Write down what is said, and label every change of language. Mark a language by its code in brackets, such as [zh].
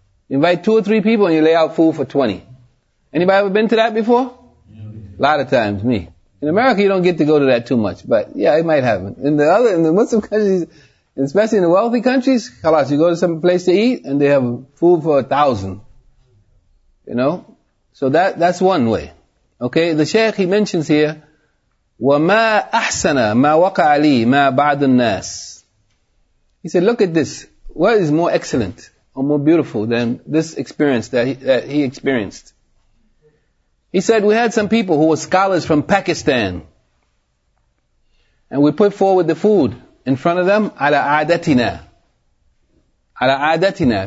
[en] You invite two or three people and you lay out food for 20. Anybody ever been to that before? A lot of times, me. In America, you don't get to go to that too much, but yeah, it might happen. In the Muslim countries, especially in the wealthy countries, khalas, you go to some place to eat and they have food for 1,000. You know? So that's one way. Okay? The Shaykh, he mentions here, [ar] وَمَا أَحْسَنَ مَا وَقَعَ لِي مَا بَعْدُ النَّاسِ. [en] He said, look at this. What is more excellent or more beautiful than this experience that he experienced? He said, we had some people who were scholars from Pakistan. And we put forward the food in front of them, ala adatina. Ala adatina.